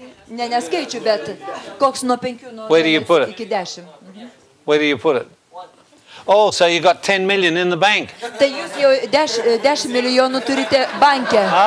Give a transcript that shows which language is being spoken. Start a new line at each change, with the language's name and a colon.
Lithuanian: Ne skaičių, bet koks nuo 5 iki 10.
English: Where do you put it? Oh, so you got 10 million in the bank.
Lithuanian: Tai jūs jau 10 milijonų turite banke.